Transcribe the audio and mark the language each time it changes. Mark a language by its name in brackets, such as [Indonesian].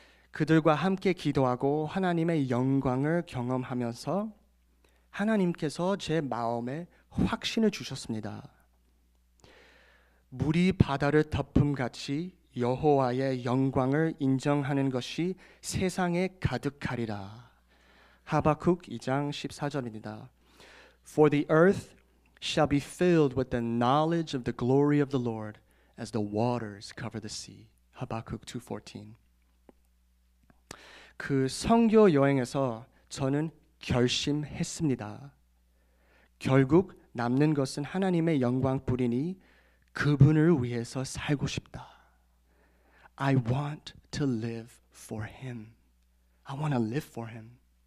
[Korean] 그들과 함께 기도하고 하나님의 영광을 경험하면서 하나님께서 제 마음에 확신을 주셨습니다. 물이 바다를 덮음같이 여호와의 영광을 인정하는 것이 세상에 가득하리라. 하박국 2장 14절입니다. [English] For the earth shall be filled with the knowledge of the glory of the Lord as the waters cover the sea. [Korean] 하박국 2:14. 그 성교 여행에서 저는 결심했습니다. 결국 남는 것은 하나님의 영광뿐이니 그분을 위해서 살고 싶다. [English] I want to live for him. I want to live for him.